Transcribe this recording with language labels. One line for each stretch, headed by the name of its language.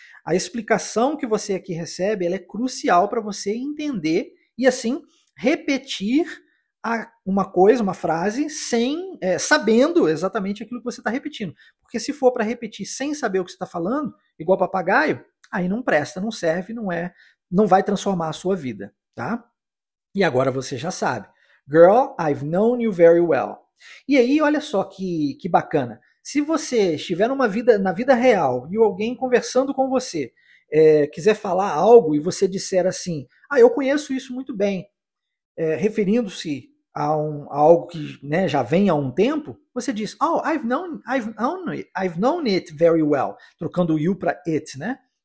Portuguese: A explicação que você aqui recebe, ela é crucial para você entender e assim repetir uma coisa, uma frase, sabendo exatamente aquilo que você está repetindo. Porque se for para repetir sem saber o que você está falando, igual papagaio, aí não presta, não serve, não vai transformar a sua vida, tá? E agora você já sabe.
English: Girl, I've known you very well.
Portuguese: E aí, olha só que bacana. Se você estiver na vida real e alguém conversando com você quiser falar algo e você disser assim, ah, eu conheço isso muito bem, referindo-se a algo que, né, já vem há um tempo, você diz, oh,
English: I've known it very well,
Portuguese: trocando o you para it, né?